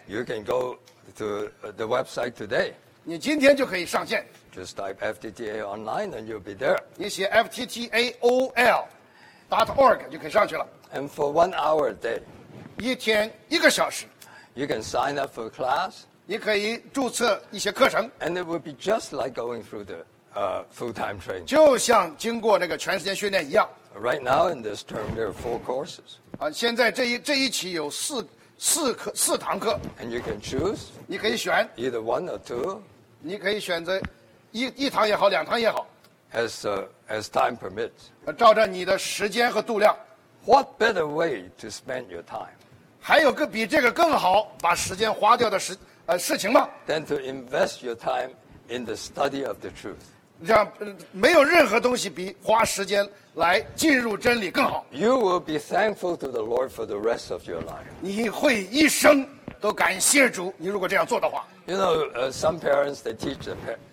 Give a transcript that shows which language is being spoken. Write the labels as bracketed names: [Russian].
[English] You can go to the website today. [Chinese] 你今天就可以上线。 [English] Just type FTTA online and you'll be there. [Chinese] 你写 FTTAOL.org 就可以上去了。 [English] And for 1 hour a day. [Chinese] 一天一个小时。 [English] You can sign up for class. [Chinese] 你可以注册一些课程。 [English] And it will be just like going through the full-time training. [Chinese] 就像经过那个全时间训练一样。 [English] Right now in this term there are 4 courses. [Chinese] 现在这一期有四堂课。 [English] And you can choose. [Chinese] 你可以选。 [English] Either 1 or 2. [Chinese] 你可以选择。一堂也好，两堂也好 [English] ，as time permits， [Chinese] 照着你的时间和度量。 [English] What better way to spend your time？ [Chinese] 还有个比这个更好把时间花掉的事情吗 [English] ？Than to invest your time in the study of the truth。 [Chinese] 让没有任何东西比花时间来进入真理更好。 [English] You will be thankful to the Lord for the rest of your life。 [Chinese] 你会一生都感谢主，你如果这样做的话。 [English] You know, some parents they teach the parents.